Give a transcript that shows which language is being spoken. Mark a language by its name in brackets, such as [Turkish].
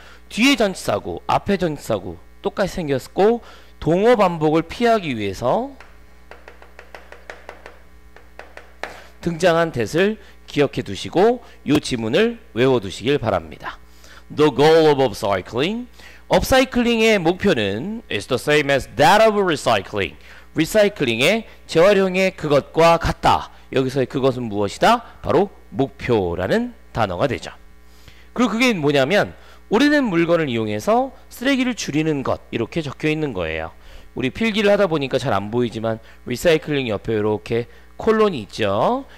[Korean] 뒤에 전치사구 앞에 전치사구 똑같이 생겼고 동어 반복을 피하기 위해서 등장한 that을 기억해 두시고 이 지문을 외워 두시길 바랍니다. [English] The goal of upcycling. Upcycling의 [Korean] 목표는 [English] is the same as that of recycling. [Korean] Recycling의 재활용의 그것과 같다. 여기서의 그것은 무엇이다? 바로 목표라는 단어가 되죠. 그리고 그게 뭐냐면 오래된 물건을 이용해서 쓰레기를 줄이는 것 이렇게 적혀 있는 거예요. 우리 필기를 하다 보니까 잘 안 보이지만 리사이클링 옆에 이렇게 콜론이 있죠.